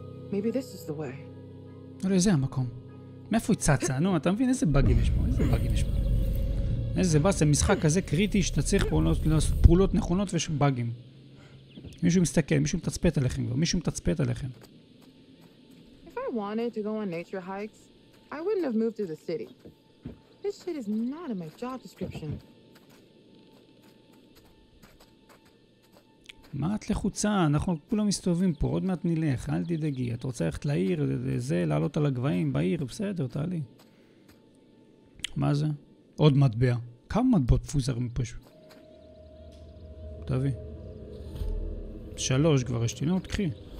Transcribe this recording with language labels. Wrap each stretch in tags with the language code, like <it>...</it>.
<en>Maybe this is the way.</en> <he>אולי זה המקום. מאיפה היא צצה? נו, אתה מבין איזה בגים יש פה? איזה בגים יש פה? איזה בס, זה משחק כזה קריטי שאתה צריך פעולות, פעולות נכונות ויש בגים. מישהו מסתכל, מישהו מתצפת עליכם, מישהו מתצפת עליכם.</he> <en>If I wanted to go on nature hikes, I wouldn't have moved to the city. This shit is not in my job description.</en> <he>מה את לחוצה? אנחנו כולם מסתובבים פה, עוד מעט נלך, אל תדאגי. את רוצה ללכת לעיר, זה, לעלות על הגבעים, בעיר, בסדר, תעלי. מה זה? עוד מטבע. כמה מטבעות פוזרים פה? תביא. שלוש כבר יש לי, נו, תקחי.</he>